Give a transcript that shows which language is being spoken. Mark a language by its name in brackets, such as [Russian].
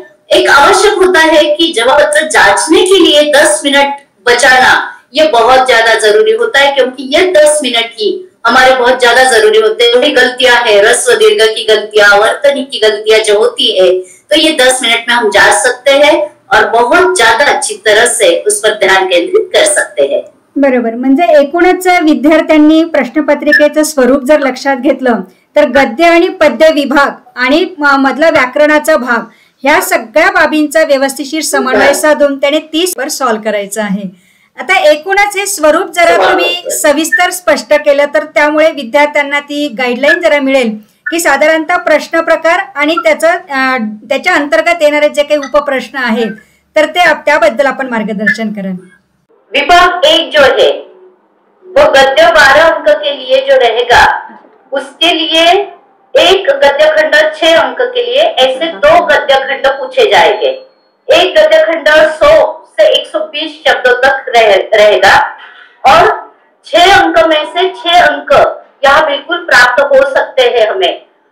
[Hindi] एक आवश्यक होता है कि जवाब पत्र जांचने के लिए 10 मिनट बचाना यह बहुत ज्यादा जरूरी होता है, क्योंकि यह 10 मिनट ही हमारे बहुत ज्यादा जरूरी होते हैं। वही गलतियां है, ह्रस्व दीर्घ की गलतियां, वर्तनी की गलतियां जो होती है, तो ये 10 मिनट में हम जांच सकते हैं और बहुत ज्यादा अच्छी तरह से उस पर ध्यान केंद्रित कर सकते हैं। [Marathi] बरोबर, म्हणजे एकूणच विद्यार्थ्यांनी प्रश्नपत्रिकेचं स्वरूप जर लक्षात घेतलं तर गद्य आणि पद्य विभाग आणि मधला व्याकरणाचा भाग ह्या सगळ्या बाबींचा व्यवस्थितशीर समन्वय साधून त्याने 30 वर सॉल्व करायचं आहे। आता एकूणच हे स्वरूप जरा तुम्ही सविस्तर स्पष्ट केलं तर त्यामुळे विद्यार्थ्यांना ती गाईडलाईन जरा मिळेल की साधारणतः प्रश्न प्रकार आणि त्याच्या अंतर्गत येणारे जे काही उपप्रश्न आहेत तर ते त्याबद्दल आपण मार्गदर्शन करा। [Hindi] विभाग एक जो है वो गद्य 12 अंक के लिए जो रहेगा उसके लिए एक गद्य खंड 6 अंक के लिए ऐसे 2 गद्य खंड पूछे जाएंगे। एक गद्य खंड 100 से 120 शब्दों तक रहेगा और 6 अंक में से 6 अंक यहाँ बिल्कुल प्राप्त हो सकते हैं हमें।